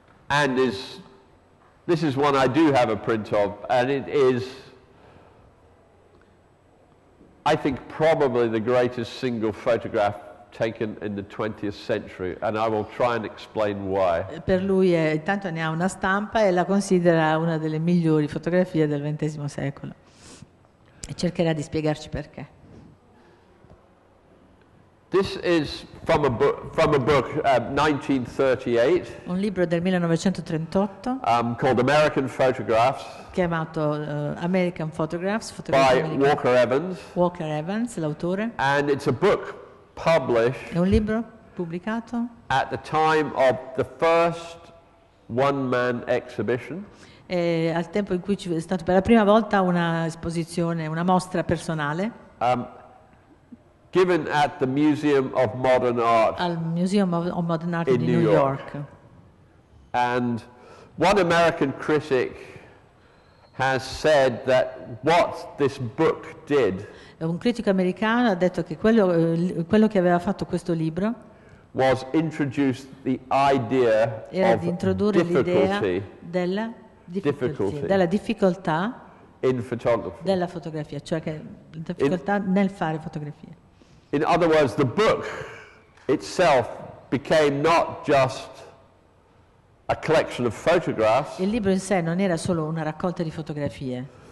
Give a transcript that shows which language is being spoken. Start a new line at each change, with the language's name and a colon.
English: and this is one I do have a print of, and it is, I think, probably the greatest single photograph taken in the 20th century, and I will try and explain why.
Italian: Per lui è, intanto ne ha una stampa e la considera una delle migliori fotografie del XX secolo. E cercherà di spiegarci perché.
English: This is from a book 1938.
Italian: Un libro del 1938.
English: Called American Photographs.
Italian: Chiamato American Photographs.
English: By Walker Evans.
Italian: Walker Evans, l'autore.
English: And it's a book published.
Italian: È un libro pubblicato.
English: At the time of the first one-man exhibition.
Italian: E al tempo in cui c'è stata per la prima volta una esposizione, una mostra personale.
English: Given at the Museum of Modern Art,
Italian: al Museum of Modern Art in New York.
English: And one American critic has said that what this book did,
Italian: un critico americano ha detto che quello che aveva fatto questo libro
English: was introduce the idea
Italian: era
English: of
Italian: di introdurre l'idea della difficoltà, della difficoltà
English: in photography.
Italian: Della fotografia, cioè che difficoltà nel fare fotografia.
English: In other words, the book itself became not just a collection of photographs.
Italian: Il libro in sé non era solo una raccolta di fotografie.